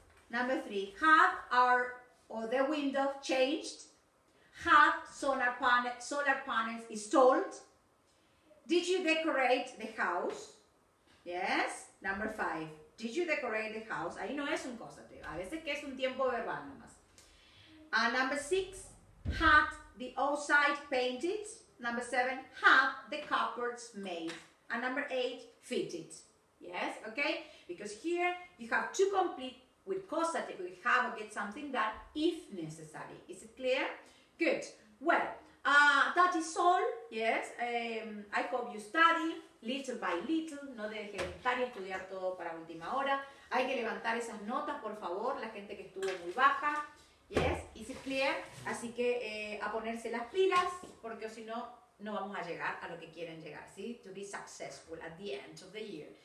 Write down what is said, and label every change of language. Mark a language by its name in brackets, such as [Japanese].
[English] Number 3, have our or the window changed, have solar panels installed, did you decorate the house, Yes? Number five. Did you decorate the house? [Spanish] Ahí no es un causative. A veces que es un tiempo verbal nomás. [English] Number six. Had the outside painted. Number seven. Had the cupboards made. And number eight. Fitted. Yes? Okay? Because here you have to complete with causative. We have to get something done if necessary. Is it clear? Good. Well, that is all. Yes? I hope you study. Little by little, [Spanish] no deje de estar y estudiar todo para última hora. Hay que levantar esas notas, por favor, la gente que estuvo muy baja. [English] Yes, is it clear? [Spanish] Así que a ponerse las pilas, porque si no, no vamos a llegar a lo que quieren llegar, ¿sí? [English] To be successful at the end of the year.